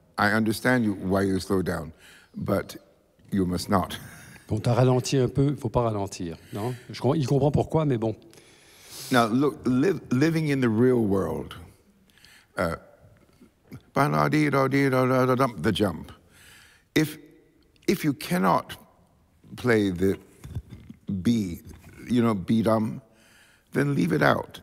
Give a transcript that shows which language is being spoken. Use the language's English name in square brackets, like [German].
[English] I understand you, why you slow down, but you must not. [French] Bon, t'as ralenti un peu, faut pas ralentir, non? Il comprend pourquoi, mais bon. [English] Now, look, living in the real world, the jump. If you cannot play the B, you know, B-dum, then leave it out.